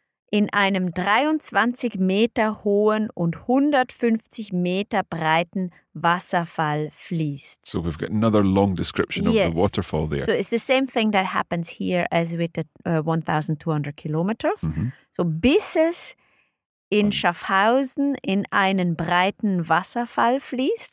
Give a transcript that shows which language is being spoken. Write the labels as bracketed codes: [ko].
[de] in einem 23 Meter hohen und 150 Meter breiten Wasserfall fließt. [en] So we've got another long description of the waterfall there. So it's the same thing that happens here as with the 1,200 kilometers. Mm-hmm. [de] So bis es in Schaffhausen in einen breiten Wasserfall fließt.